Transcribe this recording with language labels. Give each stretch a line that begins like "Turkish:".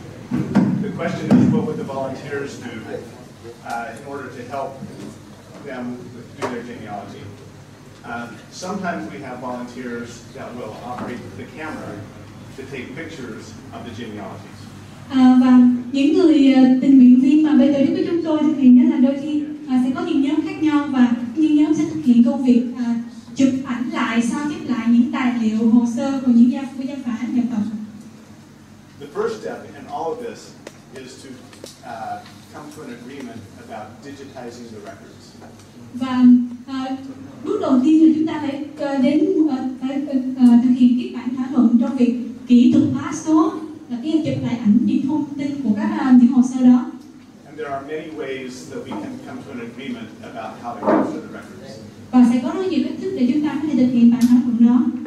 English: The question is, what would the volunteers do in order to help them do their genealogy? Sometimes we have volunteers that will operate the camera to take pictures of the genealogies.
Vietnamese: Và những người tình nguyện viên mà bây giờ đến với chúng tôi thì nghĩa là đôi khi sẽ có những nhóm khác nhau và những nhóm sẽ thực hiện công việc chụp ảnh lại, sao chép lại những tài liệu, hồ sơ của những gia của gia phả nhập tộc.
English: The first step in all of this is to come to an agreement about digitizing the records.
Vietnamese: Và bước đầu tiên là chúng ta phải đến thực hiện cái bản thỏa thuận trong việc kỹ thuật hóa số, là cái chụp lại ảnh những thông tin của các những hồ sơ đó.
English: And there are many ways that we can come to an agreement about how to capture the records.
Vietnamese: Và sẽ có rất nhiều cách thức để chúng ta có thể thực hiện bản thỏa thuận đó.